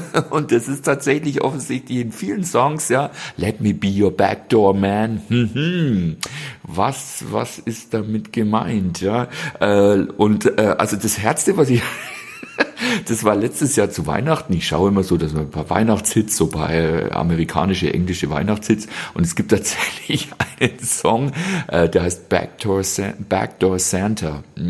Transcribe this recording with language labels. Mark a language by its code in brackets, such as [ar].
[de] Und das ist tatsächlich offensichtlich in vielen Songs, ja. [en] Let me be your back door, man. [de] Was ist damit gemeint, ja? Also das Herzste, was ich, das war letztes Jahr zu Weihnachten. Ich schaue immer so, dass man ein paar Weihnachtshits, so ein paar amerikanische, englische Weihnachtshits, und es gibt tatsächlich einen Song, der heißt Backdoor Santa.